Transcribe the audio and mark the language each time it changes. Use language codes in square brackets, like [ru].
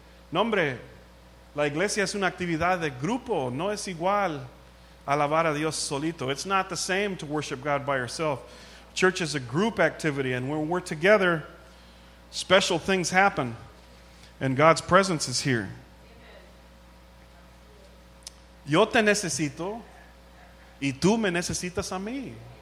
[es] No, hombre, la iglesia es una actividad de grupo. No es igual alabar a Dios solito. [en] It's not the same to worship God by yourself. Church is a group activity, and when we're together, special things happen, and God's presence is here. [es] Yo te necesito, y tú me necesitas a mí.